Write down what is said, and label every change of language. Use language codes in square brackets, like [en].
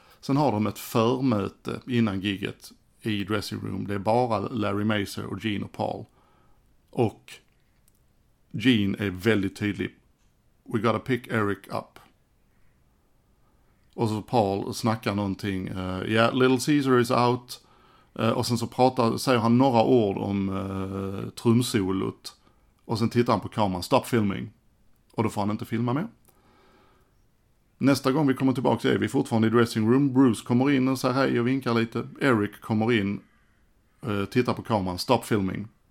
[sv] Sen har de ett förmöte innan gigget i dressing room. Det är bara Larry Mazur och Gene och Paul. Och Gene är väldigt tydlig. [en] We gotta pick Eric up. [sv] Och så Paul snackar någonting. [en] Yeah, Little Caesar is out. [sv] Och sen så säger han några ord om trumsolot. Och sen tittar han på kameran. [en] Stop filming. [sv] Och då får han inte filma mer. Nästa gång vi kommer tillbaka är vi fortfarande i dressing room. Bruce kommer in och säger hej och vinkar lite. Eric kommer in. Tittar på kameran. [en] Stop filming.